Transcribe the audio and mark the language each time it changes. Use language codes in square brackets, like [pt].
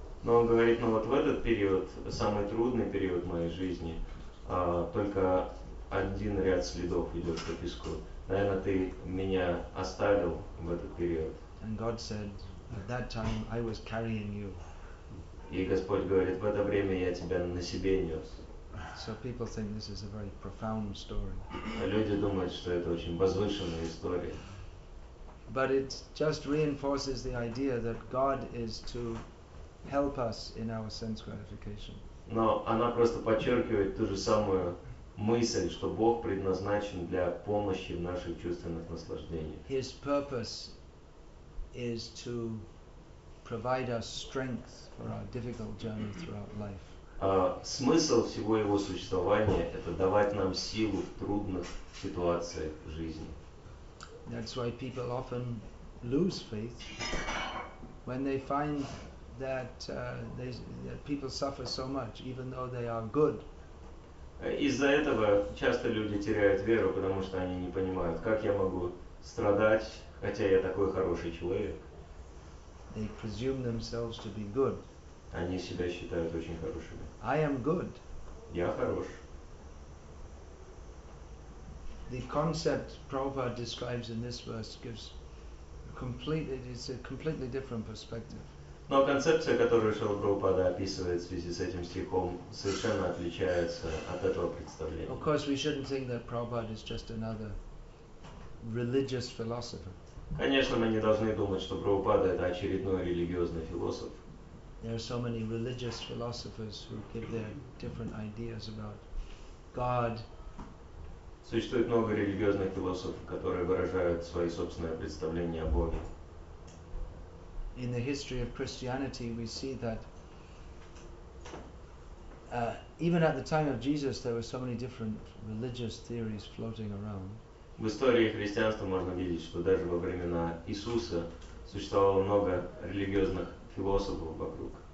[ru] Но он говорит: "Ну вот в этот период, самый трудный период моей жизни, только один ряд следов идет по песку. Наверное, ты меня оставил в этот период." [en] And God said, "At that time, I was carrying you." [ru] И Господь говорит: "В это время я тебя на себе нес." [en] So people think this is a very profound story. [ru] Люди думают, что это очень возвышенная история. [en] But it just reinforces the idea that God is to help us in our sense gratification. [ru] Но она просто подчеркивает ту же самую мысль, что Бог предназначен для помощи в наших чувственных наслаждениях. [en] His purpose is to provide us strength for our difficult journey throughout life. [ru] Смысл всего его существования – это давать нам силу в трудных ситуациях в жизни. [en] That's why people often lose faith when they find that that people suffer so much, even though they are good. [ru] Из-за этого часто люди теряют веру, потому что они не понимают, как я могу страдать, хотя я такой хороший человек. [en] They presume themselves to be good. [ru] Они себя считают очень хорошими. [en] I am good. [ru] Я хорош. [en] The concept Prabhupada describes in this verse gives a completely different perspective. [ru] Но концепция, которую Шрила Прабхупада описывает в связи с этим стихом, совершенно отличается от этого представления. [en] Of course, we shouldn't think that Prabhupada is just another religious philosopher. [ru] Конечно, мы не должны думать, что Прабхупада это очередной религиозный философ. [en] There are so many religious philosophers who give their different ideas about God. [ru] Существует много религиозных философов, которые выражают свои собственные представления о Боге. [en] In the history of Christianity, we see that even at the time of Jesus, there were so many different religious theories floating around. [ru] В истории христианства можно видеть, что даже во времена Иисуса существовало много религиозных философов вокруг.